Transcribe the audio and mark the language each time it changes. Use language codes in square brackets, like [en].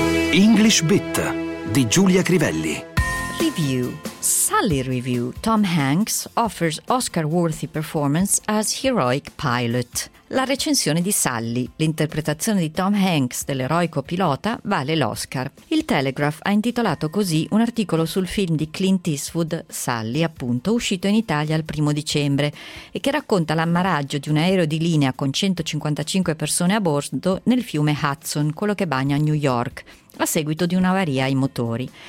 [it] English Bit di Giulia Crivelli. [en] Review. Sully Review. Tom Hanks offers Oscar-worthy performance as heroic pilot. [it] La recensione di Sully, l'interpretazione di Tom Hanks dell'eroico pilota, vale l'Oscar. Il Telegraph ha intitolato così un articolo sul film di Clint Eastwood, Sully, appunto, uscito in Italia il 1 dicembre, e che racconta l'ammaraggio di un aereo di linea con 155 persone a bordo nel fiume Hudson, quello che bagna New York, a seguito di un'avaria ai motori.